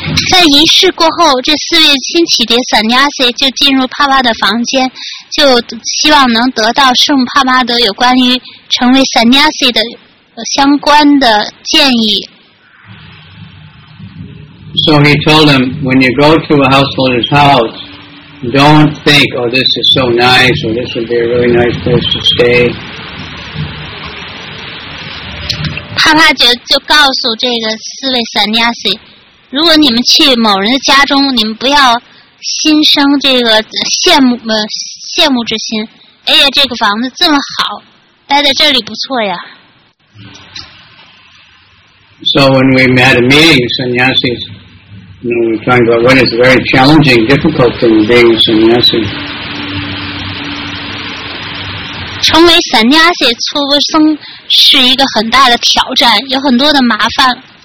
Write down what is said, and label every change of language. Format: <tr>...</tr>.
<zh>在仪式过后，这四位新启迪sannyasa就进入帕帕的房间，就希望能得到圣帕帕德有关于成为sannyasa的相关的建议。</zh> <en>So he told them, when you go to a householder's house, don't think, oh, this is so nice, or this would be a really nice place to stay.</en> <zh>帕帕德就告诉这个四位 sannyasi, 如果你们去某人的家中，你们不要心生这个羡慕之心。哎呀，这个房子这么好，待在这里不错呀。</zh> <en>So when we had a meeting, sannyasis, you know, we're talking about what is a very challenging, difficult thing being a sannyasi.</en> <zh>成为 sannyasi 出生是一个很大的挑战，有很多的麻烦。</zh>